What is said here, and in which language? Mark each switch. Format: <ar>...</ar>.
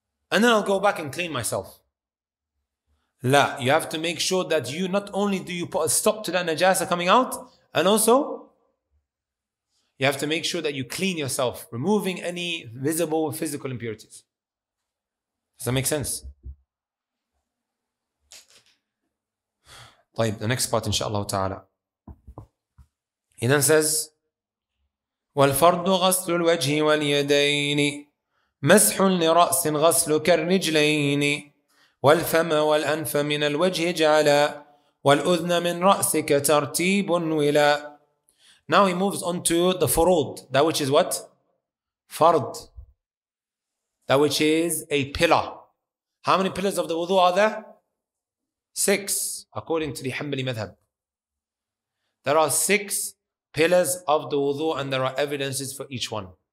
<en>And then I'll go back and clean myself. La, you have to make sure that you, not only do you put a stop to that najasa coming out, and also, you have to make sure that you clean yourself, removing any visible physical impurities. Does that make sense? طيب, the next part, inshaAllah ta'ala. He then says,</en> <ar>وَالْفَرْضُ غَسْلُ الْوَجْهِ وَالْيَدَيْنِ مَسْحٌ لِرَأْسٍ غَسْلُ كَالرِّجْلَيْنِ وَالْفَمَ وَالْأَنْفَ مِنَ الْوَجْهِ جَعَلَى وَالْأُذْنَ مِنْ رَأْسِكَ تَرْتِيبٌ وِلَى.</ar> <en>Now he moves on to the furud, that which is what? Fard. That which is a pillar. How many pillars of the wudu are there? 6, according to the Hanbali madhab. There are 6 pillars of the wudu and there are evidences for each one.</en>